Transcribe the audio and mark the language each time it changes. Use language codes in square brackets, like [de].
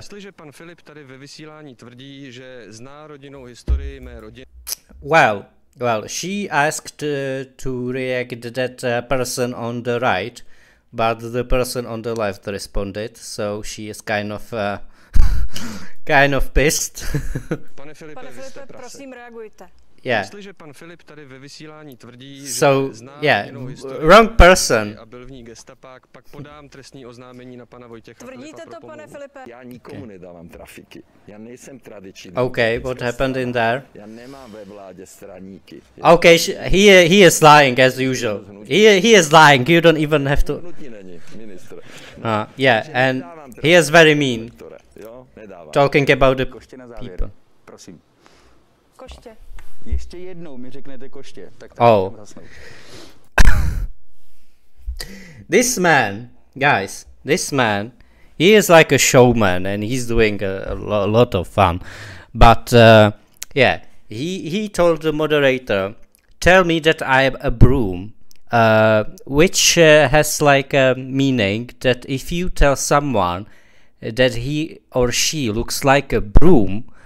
[cs] Jestliže pan Filip tady ve vysílání tvrdí, že zná rodinnou historii mé rodiny. [en] Well, she asked to react that person on the right, but the person on the left responded, so she is kind of pissed. [cs] Pane Filipe, prosím, reagujte. [en] Yeah. [cs] Jestliže pan Filip tady ve vysílání tvrdí, [en] so, [cs] že zná jinou historii, [en] wrong person. [cs] A byl v ní gestapák, pak podám trestní oznámení na pana Vojtěcha. Tvrdíte to, pane Filipe? Já nikomu nedávám trafiky. Já nejsem tradiční. [en] Okay, what happened in there? [cs] Já nemám ve vládě straníky. [en] Okay, he is lying as usual. He is lying. You don't even have to. Yeah, and he is very mean. Talking about the people. [cs] Prosím. Koště. Ještě jednou mi řeknete koště, tak [en] to This man, guys, this man, he is like a showman and he's doing a lot of fun. But yeah, he told the moderator, tell me that I am a broom, which has like a meaning that if you tell someone that he or she looks like a broom,